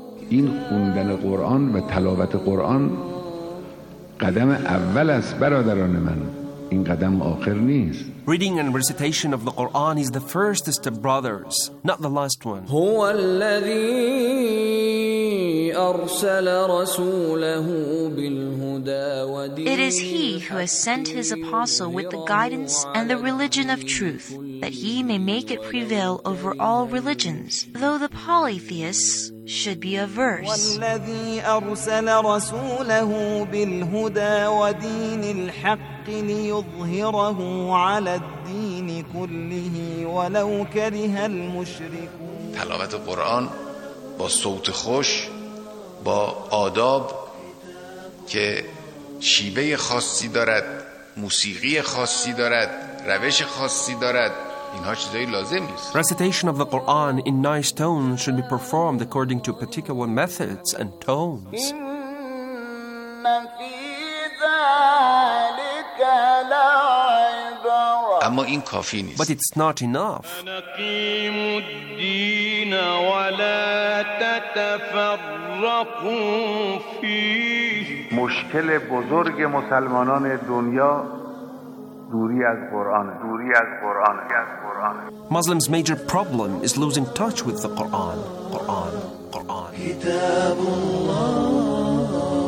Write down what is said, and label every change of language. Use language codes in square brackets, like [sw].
[fa] این خوندن قرآن و تلاوت قرآن قدم اول است برادران من، این قدم آخر نیست. [en] Reading and recitation of the Quran is the first step, brothers, not the last one. [ar] هو الذي أرسل رسوله بالهدى ودين. [en] It is he who has sent his apostle with the guidance and the religion of truth, that he may make it prevail over all religions, though the polytheists should be averse. [ar] والذي أرسل رسوله بالهدى ودين الحق ليظهره على الدين كله ولو كره المشركون. [fa] تلاوت القرآن با صوت خوش، با آداب که شیوه خاصی دارد، موسیقی خاصی دارد، روش خاصی دارد، اینها چیزایی لازم است. [en] Recitation of the Quran in nice tones should be performed according to particular methods and tones. [fa] اما این کافی نیست. [en] But it's not enough. [fa] مشکل بزرگ مسلمانان دنیا دوری از قرآن، دوری از قرآن، از قرآن. [en] Muslims' major problem is losing touch with the Quran. Quran, Quran. [ar] کتاب الله.